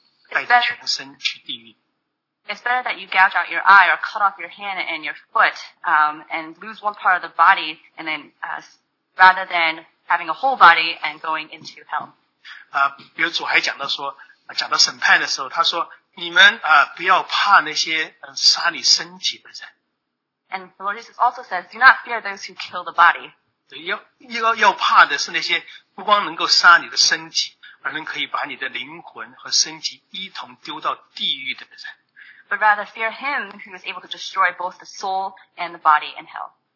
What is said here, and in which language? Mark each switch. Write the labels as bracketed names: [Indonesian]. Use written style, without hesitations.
[Chinese] 强如你带着全整个身体去到地狱，你砍下来进天堂，都要强过你带着全身去地狱。 [English] It's better that you gouge out your eye or cut off your hand and your foot, and lose one part of the body, and then rather than having a whole body and going into hell. [Chinese] 比如主还讲到说，讲到审判的时候，他说你们不要怕那些杀你身体的人。 [English] And the Lord Jesus also says, do not fear those who kill the body. [Chinese] 要怕的是那些不光能够杀你的身体，而能可以把你的灵魂和身体一同丢到地狱的人。 [English] But rather fear him who is able to destroy both the soul and the body in hell.